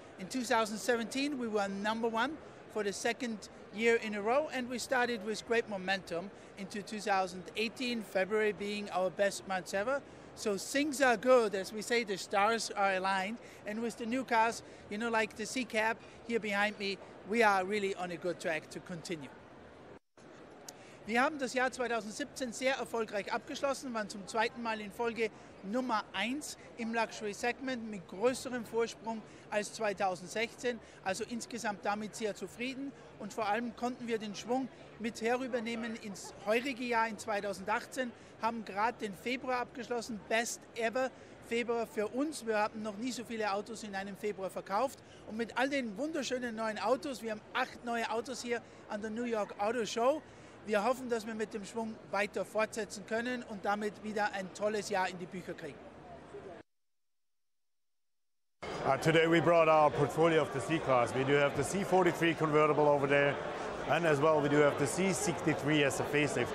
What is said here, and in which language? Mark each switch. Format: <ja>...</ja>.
<en>In 2017, we were number one for the second year in a row, and we started with great momentum into 2018, February being our best month ever. So things are good, as we say, the stars are aligned, and with the new cars, you know, like the C-Cab here behind me, we are really on a good track to continue.</en> <de>Wir haben das Jahr 2017 sehr erfolgreich abgeschlossen, waren zum zweiten Mal in Folge Nummer 1 im Luxury Segment mit größerem Vorsprung als 2016, also insgesamt damit sehr zufrieden und vor allem konnten wir den Schwung mit herübernehmen ins heurige Jahr in 2018, haben gerade den Februar abgeschlossen,</de> <en>best ever</en> <de>Februar für uns, wir haben noch nie so viele Autos in einem Februar verkauft und mit all den wunderschönen neuen Autos, wir haben 8 neue Autos hier an der New York Auto Show. Wir hoffen, dass wir mit dem Schwung weiter fortsetzen können und damit wieder ein tolles Jahr in die Bücher kriegen.</de> <en>Today we brought our portfolio of the C-Class. We do have the C43 convertible over there and as well we do have the C63 as a facelift.</en>